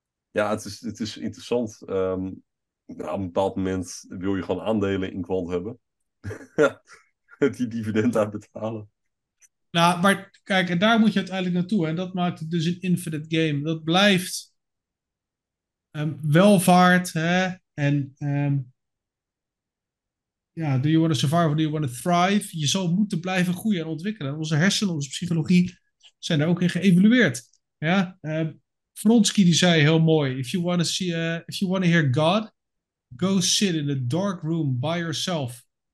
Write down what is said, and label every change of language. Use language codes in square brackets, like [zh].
[nl] Ja, het is interessant. Op een bepaald moment wil je gewoon aandelen in kwant hebben. Die dividend uitbetalen. Nou, maar kijk, en daar moet je uiteindelijk naartoe. En dat maakt het dus een infinite game. Dat blijft welvaart, hè? [en] En do you want to survive or do you want to thrive? [nl] Je zal moeten blijven groeien en ontwikkelen. En onze hersenen, onze psychologie zijn daar ook in geëvolueerd. Ja? Vronsky die zei heel mooi, [en] if you want to hear God, go sit in a dark room by yourself.